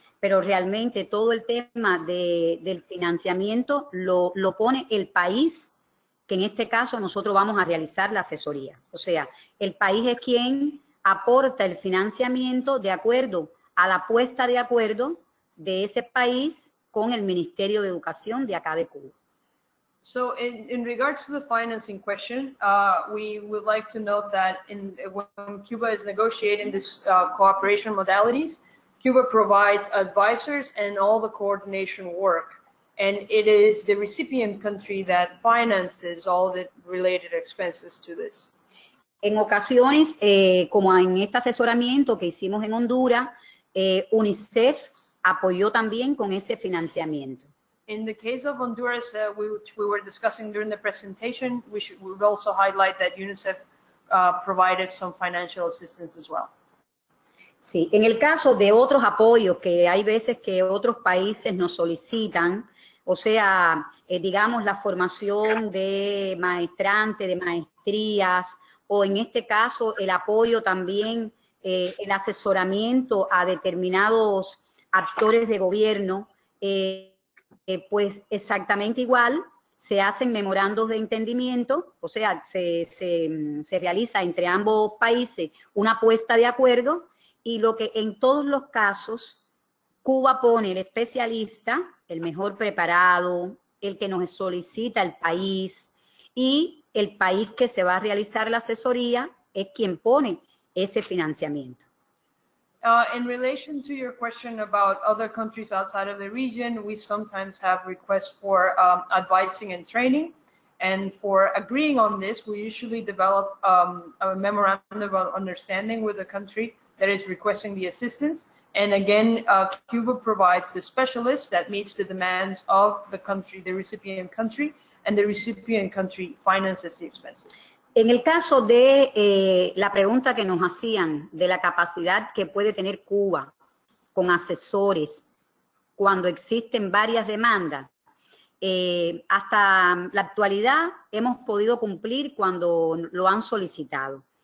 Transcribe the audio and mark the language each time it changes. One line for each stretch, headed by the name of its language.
Spanish: Pero realmente todo el tema del financiamiento lo pone el país, que en este caso nosotros vamos a realizar la asesoría. O sea, el país es quien aporta el financiamiento de acuerdo a la puesta de acuerdo de ese país con el Ministerio de Educación de acá de Cuba.
English: So in regards to the financing question, we would like to note that when Cuba is negotiating this cooperation modalities, Cuba provides advisors and all the coordination work. And it is the recipient country that finances all the related expenses to this.
Spanish: En ocasiones, como en este asesoramiento que hicimos en Honduras, UNICEF apoyó también con ese financiamiento.
English: In the case of Honduras, which we were discussing during the presentation, we would also highlight that UNICEF provided some financial assistance as well.
Spanish: Sí, en el caso de otros apoyos que hay veces que otros países nos solicitan, o sea, digamos, la formación de maestrante, de maestrías, o en este caso el apoyo también, el asesoramiento a determinados actores de gobierno, pues exactamente igual se hacen memorandos de entendimiento, o sea, se realiza entre ambos países una puesta de acuerdo y lo que en todos los casos Cuba pone el especialista, el mejor preparado, el que nos solicita el país y el país que se va a realizar la asesoría es quien pone ese financiamiento.
English: In relation to your question about other countries outside of the region, we sometimes have requests for advising and training. And for agreeing on this, we usually develop a memorandum of understanding with the country that is requesting the assistance. And again, Cuba provides the specialist that meets the demands of the country, the recipient country, and the recipient country finances the expenses.
Spanish: En el caso de la pregunta que nos hacían de la capacidad que puede tener Cuba con asesores cuando existen varias demandas, hasta la actualidad hemos podido cumplir cuando lo han solicitado.